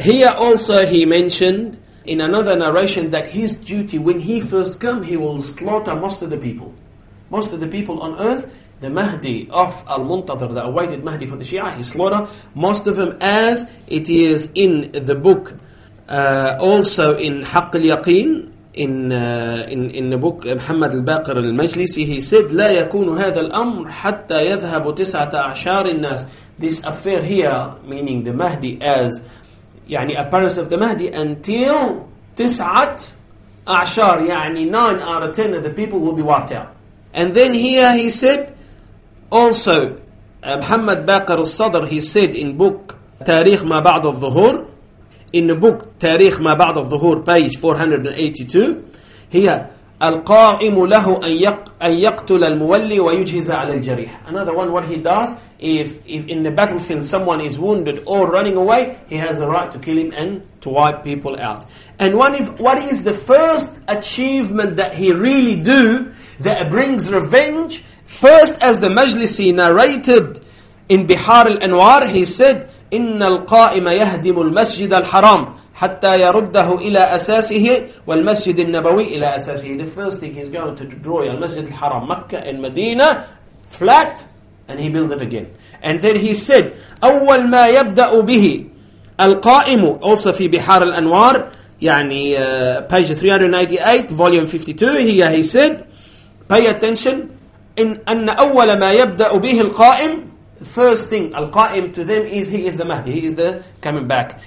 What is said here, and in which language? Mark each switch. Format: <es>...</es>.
<en>Here also he mentioned in another narration that his duty, when he first come, he will slaughter most of the people. Most of the people on earth, the Mahdi of Al-Muntadhir, the awaited Mahdi for the Shia, he slaughter most of them, as it is in the book, also in Haqq al-Yaqeen. In the book Muhammad al-Baqir al-Majlisi, he said,</en> <ar>لا يكون هذا الأمر حتى يذهب تسعة أعشار الناس.</ar> <en>This affair here, meaning the Mahdi as, يعني appearance of the Mahdi, until</en> <ar>تسعة أعشار,</ar> <en>يعني 9 out of 10 of the people will be wiped out. And then here he said, also Muhammad Baqir al-Sadr, he said in book تاريخ ما بعد الظهور, in the book Tariq Ma Ba'd al-Dhuhur, page 482, here,</en> <ar>القائم له أن يقتل المولي ويجهز على الجريح.</ar> <en>Another one, what he does, if in the battlefield someone is wounded or running away, he has a right to kill him and to wipe people out. And what is the first achievement that he really do that brings revenge? First, as the Majlisi narrated in Bihar al-Anwar, he said,</en> <ar>إِنَّ الْقَائِمَ يَهْدِمُ الْمَسْجِدَ الْحَرَامِ حتى يرده إلى أساسه والمسجد النبوي إلى أساسه.</ar> <en>The first thing he's going to draw is Masjid al-Haram, Mecca and Medina, flat, and he built it again. And then he said,</en> <ar>أول ما يبدأ به القائم,</ar> <en>also</en> <ar>في بحار الأنوار,</ar> <en>يعني page 398, volume 52, here he said, pay attention,</en> <ar>إن أن أول ما يبدأ به القائم,</ar> <en>first thing, القائم to them is, he is the Mahdi, he is the coming back.</en>